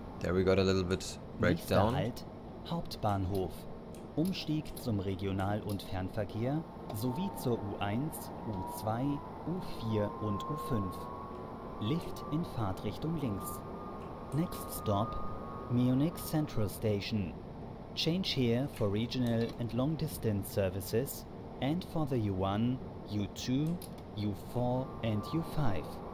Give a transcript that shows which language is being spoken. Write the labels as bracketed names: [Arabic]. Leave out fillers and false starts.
[English] We got a little bit breakdown. [German] Halt, Hauptbahnhof. Umstieg zum Regional- und Fernverkehr sowie zur U1, U2, U4 und U5. Lift in Fahrtrichtung links. [English] Next stop, Munich Central Station. Change here for regional and long distance services and for the U1, U2, U4 and U5.